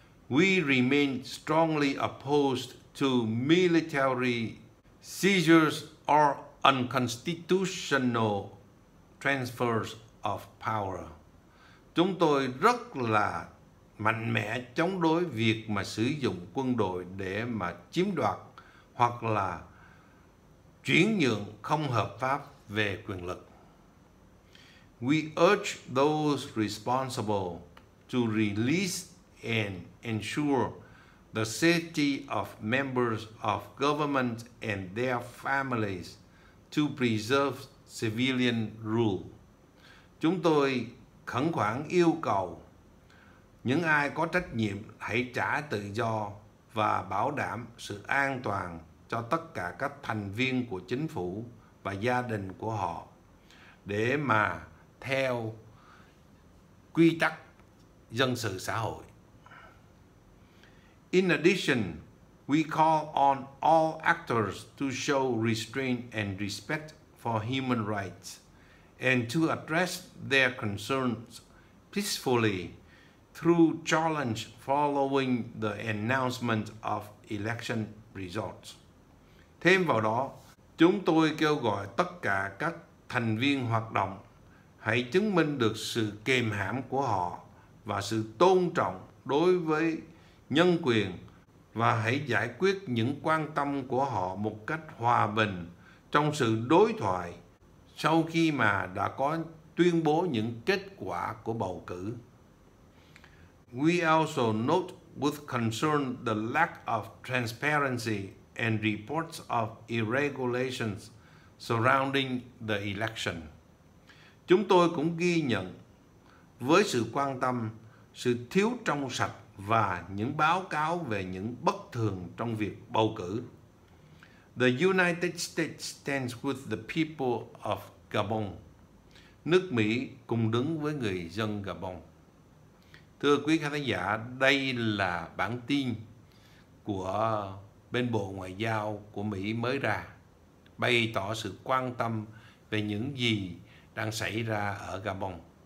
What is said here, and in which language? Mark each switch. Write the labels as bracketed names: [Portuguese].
[English] We remain strongly opposed to military seizures or unconstitutional transfers of power. [Vietnamese] Chúng tôi rất là mạnh mẽ chống đối việc mà sử dụng quân đội để mà chiếm đoạt hoặc là chuyển nhượng không hợp pháp về quyền lực. [English] We urge those responsible to release and ensure the safety of members of government and their families to preserve civilian rule. [Vietnamese] Chúng tôi khẩn khoản yêu cầu những ai có trách nhiệm hãy trả tự do và bảo đảm sự an toàn cho tất cả các thành viên của chính phủ và gia đình của họ để mà theo quy tắc dân sự xã hội. [English] In addition, we call on all actors to show restraint and respect for human rights and to address their concerns peacefully through challenge following the announcement of election results. [Vietnamese] Thêm vào đó, chúng tôi kêu gọi tất cả các thành viên hoạt động hãy chứng minh được sự kềm hãm của họ và sự tôn trọng đối với nhân quyền và hãy giải quyết những quan tâm của họ một cách hòa bình trong sự đối thoại sau khi mà đã có tuyên bố những kết quả của bầu cử. [English] We also note with concern the lack of transparency and reports of irregularities surrounding the election. [Vietnamese] Chúng tôi cũng ghi nhận với sự quan tâm sự thiếu trong sạch và những báo cáo về những bất thường trong việc bầu cử. [English] The United States stands with the people of Gabon. [Vietnamese] Nước Mỹ cùng đứng với người dân Gabon. Thưa quý khán giả, đây là bản tin của bên Bộ Ngoại giao của Mỹ mới ra, bày tỏ sự quan tâm về những gì đang xảy ra ở Gabon.